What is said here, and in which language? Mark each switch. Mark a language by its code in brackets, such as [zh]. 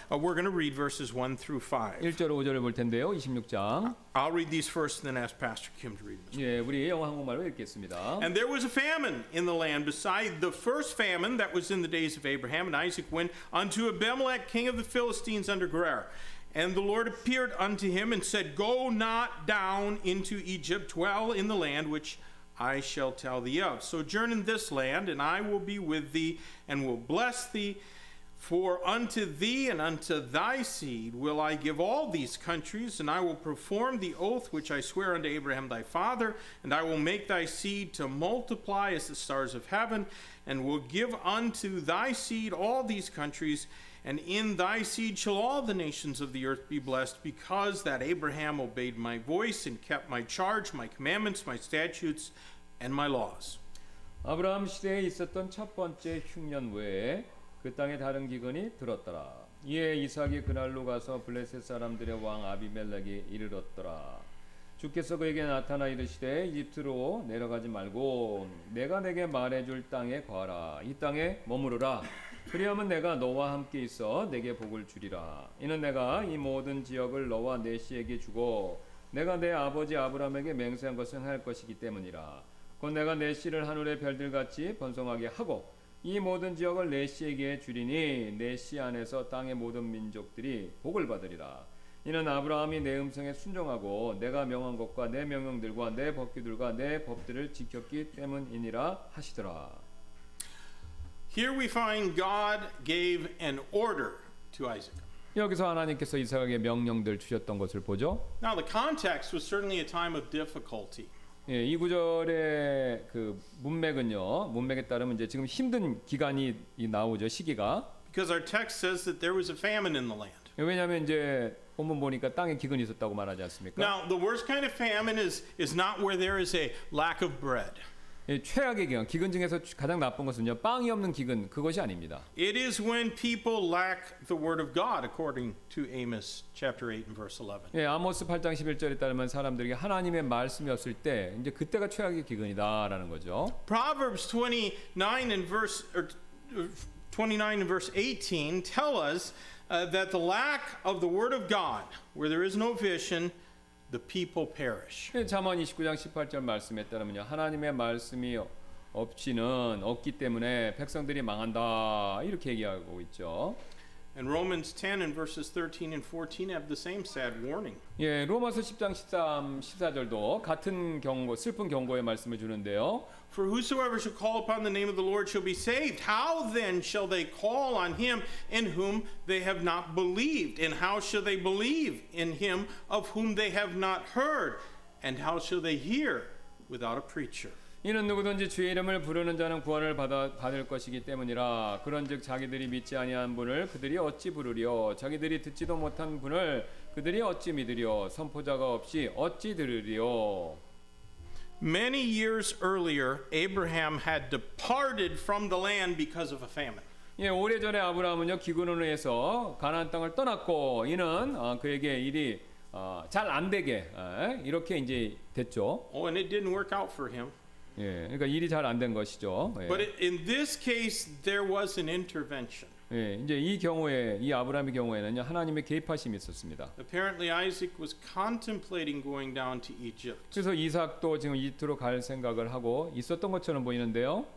[en] We're going to read verses 1 through 5. [ko] 1절로 5절을 볼 텐데요, 26장. [en] I'll read these first and then ask Pastor Kim to read them. [ko] 예, 우리 영어 한국말로 읽겠습니다. [en] And there was a famine in the land beside the first famine that was in the days of Abraham, and Isaac went unto Abimelech, king of the Philistines, under Gerar. And the Lord appeared unto him and said, Go not down into Egypt, dwell in the land which I shall tell thee of. Sojourn in this land, and I will be with thee, and will bless thee. For unto thee and unto thy seed will I give all these countries, and I will perform the oath which I swear unto Abraham thy father, and I will make thy seed to multiply as the stars of heaven, and will give unto thy seed all these countries, and in thy seed shall all the nations of the earth be blessed, because that Abraham obeyed my voice and kept my charge, my commandments, my statutes, and my laws. [ko] 아브라함 시대에 있었던 첫 번째 흉년 외에 그 땅에 다른 기근이 들었더라. 이에 이삭이 그날로 가서 블레셋 사람들의 왕 아비멜렉에 이르렀더라. 주께서 그에게 나타나 이르시되 이집트로 내려가지 말고 내가 내게 말해줄 땅에 거하라. 이 땅에 머무르라. 그리하면 내가 너와 함께 있어 내게 복을 주리라. 이는 내가 이 모든 지역을 너와 내 씨에게 주고 내가 내 아버지 아브라함에게 맹세한 것은 할 것이기 때문이라. 곧 내가 내 씨를 하늘의 별들같이 번성하게 하고 이 모든 지역을 내 씨에게 주리니 내 씨 안에서 땅의 모든 민족들이 복을 받으리라. 이는 아브라함이 내 음성에 순종하고 내가 명한 것과 내 명령들과 내 법규들과 내 법들을 지켰기 때문이니라 하시더라. [en] Here we find God gave an order to Isaac. [ko] 여기서 하나님께서 이삭에게 명령들 주셨던 것을 보죠. [en] Now the context was certainly a time of difficulty. [ko] 예, 이 구절의 그 문맥은요. 문맥에 따르면 이제 지금 힘든 기간이 나오죠. 시기가. [en] Because our text says that there was a famine in the land. [ko] 예, 왜냐면 이제 본문 보니까 땅에 기근이 있었다고 말하지 않습니까? [en] Now the worst kind of famine is not where there is a lack of bread. [ko] 예, 최악의 기근, 기근 중에서 가장 나쁜 것은요, 빵이 없는 기근, 그것이 아닙니다. [en] It is when people lack the word of God, according to Amos chapter 8 and verse 11. [ko] 예, 아모스 8장 11절에 따르면 사람들에게 하나님의 말씀이 없을 때, 이제 그때가 최악의 기근이다라는 거죠. [en] Proverbs 29 and verse 18 tell us that the lack of the word of God, where there is no vision, the people perish. [ko] 잠언 29장 18절 말씀에 따르면요, 하나님의 말씀이 없기 때문에 백성들이 망한다 이렇게 얘기하고 있죠. [en] And Romans 10 and verses 13 and 14 have the same sad warning. [ko] 예, 로마서 10장 14절도 같은 경고, 슬픈 경고의 말씀을 주는데요. [en] For whosoever shall call upon the name of the Lord shall be saved. How then shall they call on him in whom they have not believed? And how shall they believe in him of whom they have not heard? And how shall they hear without a preacher? [ko] 이는 누구든지 주의 이름을 부르는 자는 구원을 받을 것이기 때문이라 그런즉 자기들이 믿지 아니한 분을 그들이 어찌 부르리요 자기들이 듣지도 못한 분을 그들이 어찌 믿으리요 선포자가 없이 어찌 들으리요 [en] Many years earlier Abraham had departed from the land because of a famine. [ko] 예, 오래전에 아브라함은요 기근으로 해서 가나안 땅을 떠났고 이는 그에게 일이 잘 안 되게 이렇게 이제 됐죠. [en] Oh, and it didn't work out for him. [ko] 예, 그러니까 일이 잘 안 된 것이죠. 예. [en] But in this case, there was an intervention. [ko] 예, 이제 이 경우에 이 아브라함의 경우에는요 하나님의 개입하심이 있었습니다. [en] Apparently, Isaac was contemplating going down to Egypt. [ko] 그래서 이삭도 지금 이집트로 갈 생각을 하고 있었던 것처럼 보이는데요.